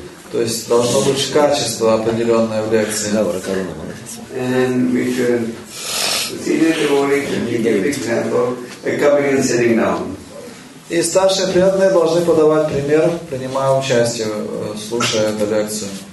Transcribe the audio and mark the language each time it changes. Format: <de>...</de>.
<ru>То есть должно быть качество определенное в лекции.</ru> <en>And we should, senior devotee should be giving example, coming and sitting down.</en> <ru>И старшие преданные должны подавать пример, принимая участие, слушая эту лекцию.</ru>